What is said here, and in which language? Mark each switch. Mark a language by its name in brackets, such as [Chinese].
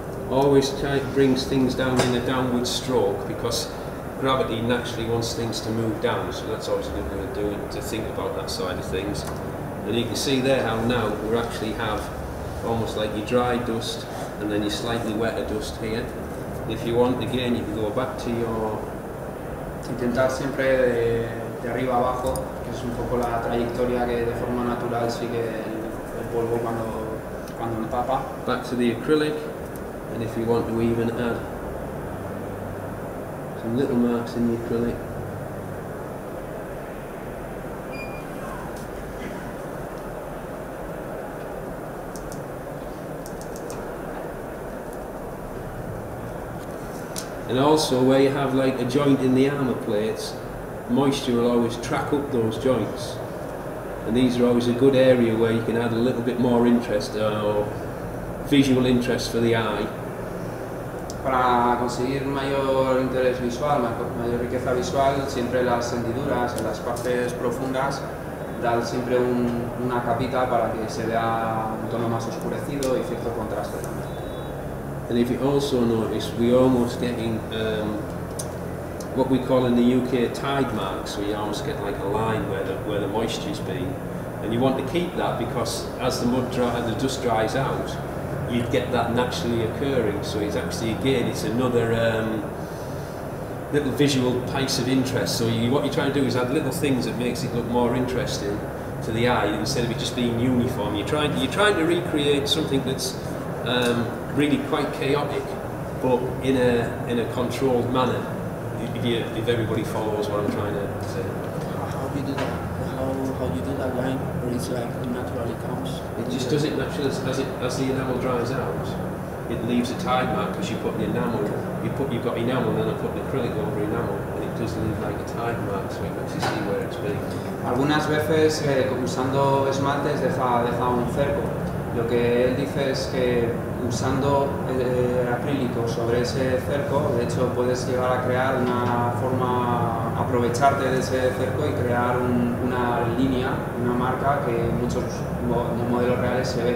[English] Always try brings things down in a downward stroke because gravity naturally wants things to move down, so that's obviously going to do to think about that side of things. And you can see there how now we actually have almost like your dry dust and then your slightly wetter dust here. If you want, again, you can go back to your... [Spanish] Intentar siempre de arriba abajo, que es un poco la trayectoria que de forma natural sigue el polvo cuando me tapa. [English] Back to the acrylic, and if you want to even add some little marks in the acrylic. And also where you have like a joint in the armour plates, moisture will always track up those joints. And these are always a good area where you can add a little bit more interest or visual interest for the eye. [Spanish] Para conseguir mayor interés visual, mayor riqueza visual, siempre las hendiduras en las partes profundas dan siempre una capita para que se vea un tono más oscurecido y cierto contraste también. [English] And if you also notice, we're almost getting what we call in the UK tide marks, so you almost get like a line where the moisture's been. And you want to keep that because as the mud dries, the dust dries out, you'd get that naturally occurring. So it's actually, again, it's another little visual piece of interest. So what you're trying to do is add little things that makes it look more interesting to the eye instead of it just being uniform. You're trying to recreate something that's really quite chaotic, but in a controlled manner, if everybody follows what I'm trying to say. How do you do that? How do you do that line where it's like naturally comes? It just does it naturally as the enamel dries out. It leaves a tide mark because you put the enamel, you've got enamel, then I put the acrylic over enamel, and it does leave like a tide mark, so it makes you see where it's been. [Spanish] Algunas veces, usando esmaltes, deja un cerco. Lo que él dice es que usando el acrílico sobre ese cerco, de hecho puedes llegar a crear una forma, aprovecharte de ese cerco y crear una línea, una marca que en muchos modelos reales se ve.